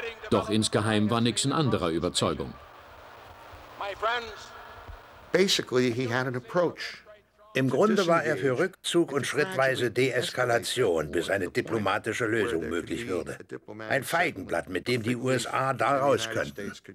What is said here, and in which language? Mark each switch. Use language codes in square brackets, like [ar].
[de] Doch insgeheim war Nixon anderer Überzeugung. [en] My friends, basically, he had an approach. [de] Im Grunde war er für Rückzug und schrittweise Deeskalation, bis eine diplomatische Lösung möglich würde. Ein Feigenblatt, mit dem die USA da raus könnten.